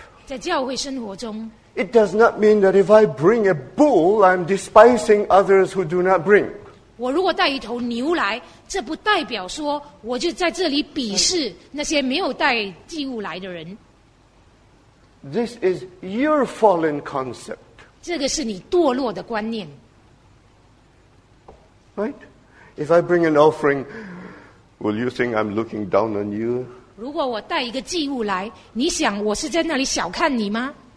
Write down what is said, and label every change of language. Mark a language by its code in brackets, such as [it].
[zh] 在教会生活中， [en] It does not mean that if I bring a bull, I'm despising others who do not bring. [zh] 我如果带一头牛来，这不代表说我就在这里鄙视那些没有带祭物来的人。 [en] This is your fallen concept. [zh] 这个是你堕落的观念。 [en] Right? If I bring an offering, will you think I'm looking down on you? [zh] 如果我带一个祭物来，你想我是在那里小看你吗？